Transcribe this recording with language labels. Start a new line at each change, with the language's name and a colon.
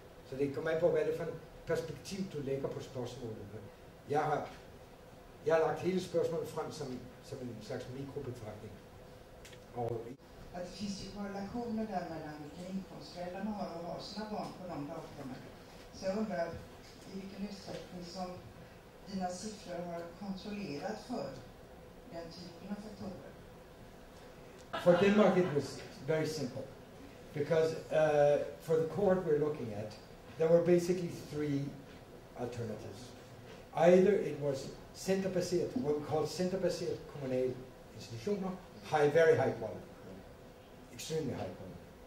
Danish: Så det kommer an på, hvad det for en perspektiv, du lægger på spørgsmålet. Jeg har lagt hele spørgsmålet frem som en slags mikrobetragtning.
Swedish: Og det finns ju korrelationer där mellan vilka inkomstföräldrarna har och har sina barn på de dagarna. Så jag undrar i vilken utsträckning som dina siffror har kontrollerat för den typen av faktorer.
English: For Denmark it was very simple. Because for the court we're looking at, there were basically three alternatives. Either it was centerbaseret, what we call
Danish: centerbaseret kommunale institutioner,
English: high, very high quality. Extremely high quality.